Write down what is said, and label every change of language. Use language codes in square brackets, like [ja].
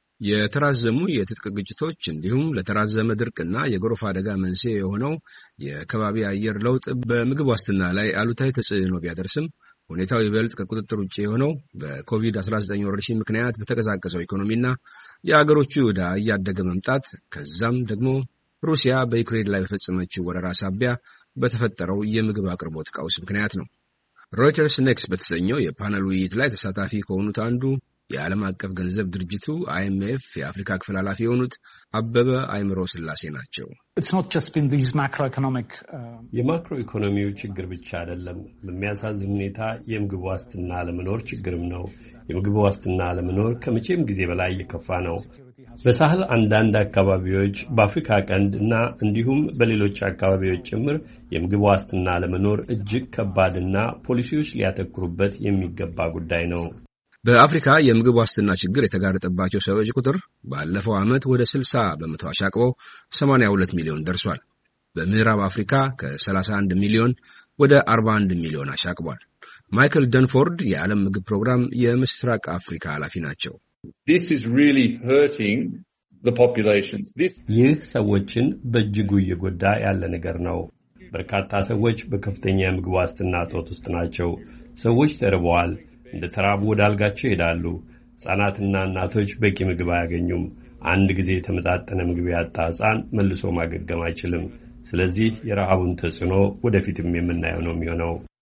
[am] የተራዘሙ የትጥቅ ግጭቶች እንዲሁም ለተራዘመ ድርቅና የጎርፍ አደጋ መንስኤ የሆነው የአካባቢ አየር ለውጥ በምግብ ዋስትና ላይ አሉታዊ ተጽዕኖ ቢያደርስም ሁኔታው ይበልጥ ከቁጥጥር ውጭ የሆነው በኮቪድ-19 ወረርሽኝ ምክንያት በተቀዛቀዘው ኢኮኖሚና የአገሮቹ ዕዳ እያደገ መምጣት ከዛም ደግሞ ሩሲያ በዩክሬን ላይ በፈጸመችው ወረራ ሳቢያ በተፈጠረው የምግብ አቅርቦት ቀውስ ምክንያት ነው። ሮይተርስ ኔክስ በተሰኘው የፓነል ውይይት ላይ ተሳታፊ ከሆኑት አንዱ የዓለም አቀፍ ገንዘብ ድርጅቱ IMF የአፍሪካ ክፍል ኃላፊ የሆኑት አበበ አይምሮ ስላሴ ናቸው። [en] It's not just been these macroeconomic [am] የማክሮ ኢኮኖሚው ችግር ብቻ አይደለም። በሚያሳዝን ሁኔታ የምግብ ዋስትና ለመኖር ችግርም ነው። የምግብ ዋስትና ለመኖር ከመቼም ጊዜ በላይ የከፋ ነው። በሳህል አንዳንድ አካባቢዎች፣ በአፍሪካ ቀንድ እና እንዲሁም በሌሎች አካባቢዎች ጭምር የምግብ ዋስትና ለመኖር እጅግ ከባድና ፖሊሲዎች ሊያተኩሩበት የሚገባ ጉዳይ ነው። በአፍሪካ የምግብ ዋስትና ችግር የተጋረጠባቸው ሰዎች ቁጥር ባለፈው ዓመት ወደ 60% አሻቅቦ 82 ሚሊዮን ደርሷል። በምዕራብ አፍሪካ ከ31 ሚሊዮን ወደ 41 ሚሊዮን አሻቅቧል። ማይክል ደንፎርድ የዓለም ምግብ ፕሮግራም የምስራቅ አፍሪካ ኃላፊ ናቸው። [en] This is really hurting the populations. This [am] ይህ ሰዎችን በእጅጉ እየጎዳ ያለ ነገር ነው። በርካታ ሰዎች በከፍተኛ ምግብ ዋስትና እጦት ውስጥ ናቸው። ሰዎች ተርበዋል፣ እንደተራቡ ወዳልጋቸው ይሄዳሉ። ህጻናትና እናቶች በቂ ምግብ አያገኙም። አንድ ጊዜ የተመጣጠነ ምግብ ያጣ ህጻን መልሶ ማገገም አይችልም። ስለዚህ የረሃቡን ተጽዕኖ ወደፊትም የምናየው ነው የሚሆነው።